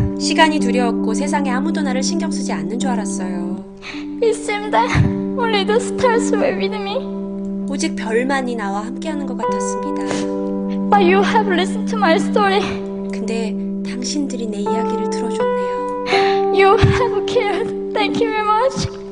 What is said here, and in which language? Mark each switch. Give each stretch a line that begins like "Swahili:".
Korean: 시간이 두려웠고 세상에 아무도 나를 신경 쓰지 않는 줄 알았어요.
English: It seemed that only the stars were with me.
Korean: 오직 별만이 나와 함께하는 것 같았습니다.
English: But you have listened to my story.
Korean: 근데 당신들이 내 이야기를 들어줬네요.
English: You have cared. Thank you very much.